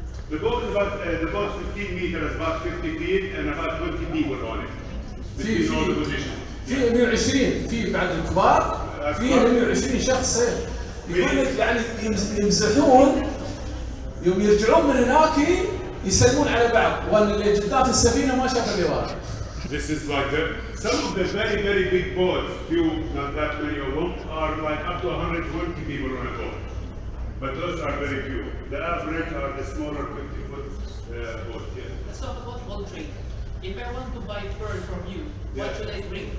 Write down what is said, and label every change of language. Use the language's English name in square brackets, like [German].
[English] The boat is about the boat 15 meters, about 50 feet, and about 20 people on it. Between all the positions. [Arabic] في 120 في بعد الكبار في 120 شخص يقول لك يعني يمزحون يوم يرجعون من هناك يسلمون على بعض وان اللي قدام في السفينة ما شاف اللي وراء. [English] This is like the, some of the very, very big boats, few, not that many of them, are like up to 120 people on a boat. But those are very few. The average are the smaller 50 foot boat, yeah. So what will drink? If I want to buy pearl from you, what should I drink?